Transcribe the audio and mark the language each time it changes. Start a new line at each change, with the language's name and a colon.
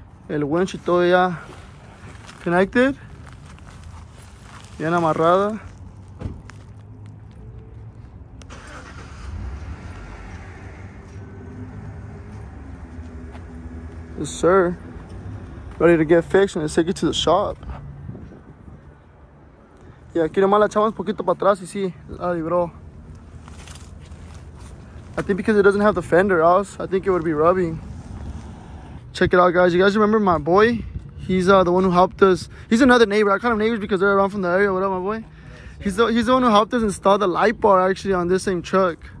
Spanish: El winch todavía connected. Bien amarrada.
English: Yes, sir. ready to get fixed and let's take it to the shop.
Spanish: Y aquí nomás la echamos un poquito para atrás y sí, la libró.
English: I think because it doesn't have the fender, I think it would be rubbing. Check it out, guys. You guys remember my boy? He's the one who helped us. He's another neighbor. I call him neighbors because they're around from the area. What up, my boy? He's the one who helped us install the light bar, actually, on this same truck.